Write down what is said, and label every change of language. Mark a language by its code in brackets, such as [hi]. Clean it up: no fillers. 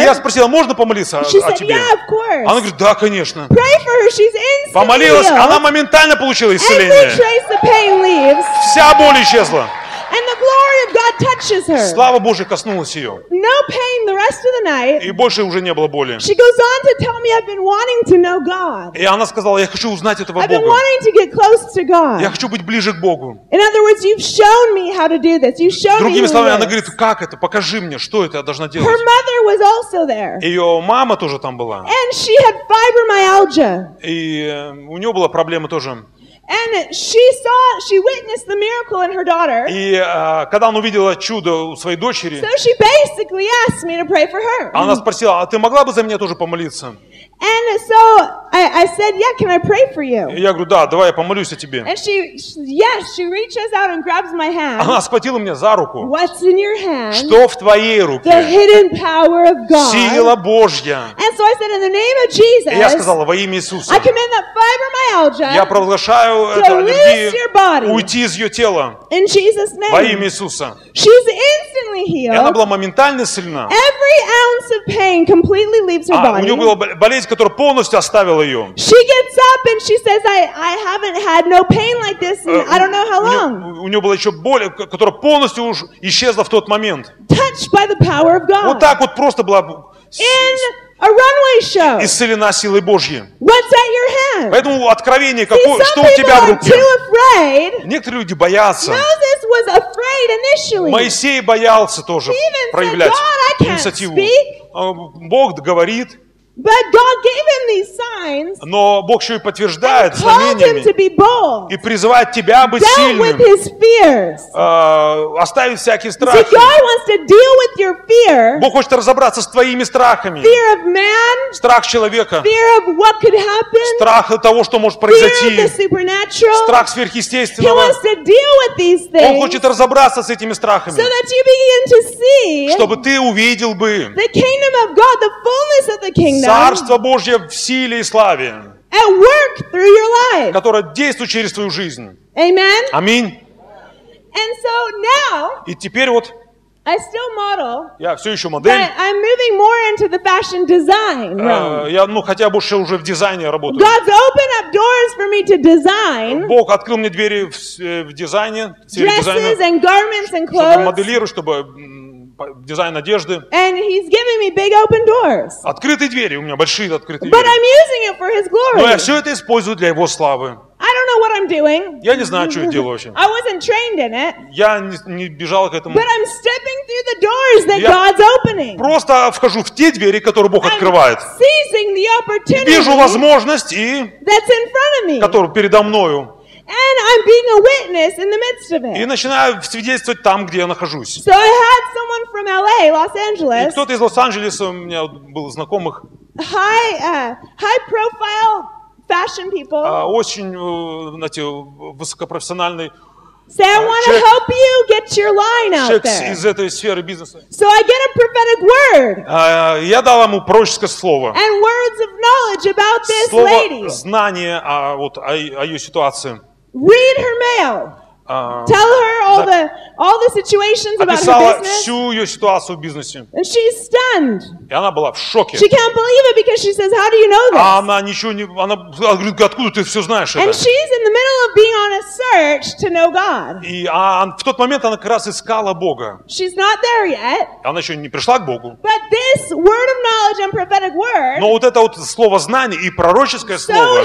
[ru] И я спросила, можно помолиться о тебе? [en] Yeah, of course. [ru] Она говорит, да, конечно. [en] Pray for her. She's instantly healed. [ru] Помолилась, она моментально получила исцеление. [en] Every trace of pain leaves. [ru] Вся боль исчезла. [en] And the glory of God touches her. [ru] Слава Божия коснулась ее. [en] No pain the rest of the night. [ru] И больше уже не было боли. [en] She goes on to tell me, I've been wanting to know God. [ru] И она сказала, я хочу узнать этого Бога. [en] I've been wanting to get close to God. [ru] Я хочу быть ближе к Богу. [en] In other words, you've shown me how to do this. You've shown me. [ru] Другими словами, она говорит, как это? Покажи мне, что это я должна делать. [en] Her mother was also there. [ru] Ее мама тоже там была. [en] And she had fibromyalgia. [ru] И у нее была проблема тоже. [en] And she witnessed the miracle in her daughter. [ru] И когда она увидела чудо у своей дочери, [en] so she basically asked me to pray for her. [ru] Она спросила, а ты могла бы за меня тоже помолиться? [en] And so I said, yeah, can I pray for you? [ru] Я говорю, да, давай я помолюсь о тебе. [en] And she reaches out and grabs my hand. [ru] Она схватила меня за руку. [en] What's in your hand? [ru] Что в твоей руке? [en] The hidden power of God. [ru] Сила Божья. [en] And so I said, in the name of Jesus. [ru] И я сказала, во имя Иисуса. [en] I command that fibromyalgia. [ru] Я провозглашаю это аллергии уйти из ее тела. [en] In Jesus' name. [ru] Во имя Иисуса. [en] She's instantly healed. [ru] И она была моментально исцелена. [en] Every ounce of pain completely leaves her body. [ru] У нее была болезнь, которая полностью оставила ее. [en] She gets up and she says, I haven't had no pain like this in I don't know how long. [ru] У нее была еще боль, которая полностью уж исчезла в тот момент. [en] Touched by the power of God. [ru] Вот так вот просто была. [en] In a runway show. [ru] Исцелена силой Божьей. [en] What's at your hand? [ru] Поэтому откровение какое, что у тебя в руке? [en] Too afraid. [ru] Некоторые люди боятся. [en] Moses was afraid initially. [ru] Моисей боялся тоже проявлять инициативу. Бог говорит. [en] But God gave him these signs. [ru] Но Бог еще и подтверждает знамениями и призывает тебя быть сильным. [en] With his fears. [ru] Оставить всякие страхи. [en] See, God wants to deal with your fear. [ru] Бог хочет разобраться с твоими страхами. [en] Fear of man. [ru] Страх человека. [en] Fear of what could happen. [ru] Страх того, что может произойти. [en] Fear of the supernatural. [ru] Страх сверхъестественного. [en] He wants to deal with these things. [ru] Он хочет разобраться с этими страхами. [en] So that you begin to see. [ru] Чтобы ты увидел бы. [en] The kingdom of God, the fullness of the kingdom. [ru] Царство Божье в силе и славе, [en] at work through your life. [ru] Которое действует через твою жизнь. [en] Amen. [ru] Аминь. [en] And so now, [ru] и теперь вот [en] I still model, [ru] я все еще модель, [en] but I'm moving more into the fashion design. [ru] Я, ну, хотя больше уже в дизайне работаю. [en] God's opened up doors for me to design. [ru] Бог открыл мне двери в дизайне, [en] dresses and garments and clothes. [ru] Чтобы моделирую, чтобы дизайн одежды. [en] And he's giving me big open doors. [ru] Открытые двери, у меня большие открытые [en] But I'm using it for his glory. [ru] Но я все это использую для его славы. [en] I don't know what I'm doing. [ru] Я не знаю, что я делаю вообще. [en] I wasn't trained in it. [ru] Я не бежал к этому. [en] But I'm stepping through the doors that God's opening. [ru] Просто вхожу в те двери, которые Бог [en] I'm [ru] открывает. [en] Seizing the opportunity, [ru] вижу возможность и [en] that's in front of me. [ru] Которую передо мною. [en] And I'm being a witness in the midst of it. [ru] И начинаю свидетельствовать там, где я нахожусь. [en] So I had someone from LA, Los Angeles. [ru] И кто-то из Лос-Анджелеса у меня был знакомых. [en] High profile fashion people. [ru] Очень, знаете, высокопрофессиональный. [en] So I want to help you get your line out there. [ru] Из этой сферы бизнеса. [en] So I get a prophetic word. [ru] Я дал ему пророческое слово. [en] And words of knowledge about this [ru] слово [en] lady. [ru] Слово знания о ее ситуации. [en] Read her mail. Tell her all the situations about her business. [ru] Описала всю ее ситуацию в бизнесе. [en] And she's stunned. [ru] И она была в шоке. [en] She can't believe it because she says, "How do you know this?" [ru] А она ничего не, она говорит, откуда ты все знаешь это? [en] And she's in the middle of being on a search to know God. [ru] И в тот момент она как раз искала Бога. [en] She's not there yet. [ru] Она еще не пришла к Богу. [en] But this word of knowledge and prophetic word. [ru] Но вот это вот слово знания и пророческое слово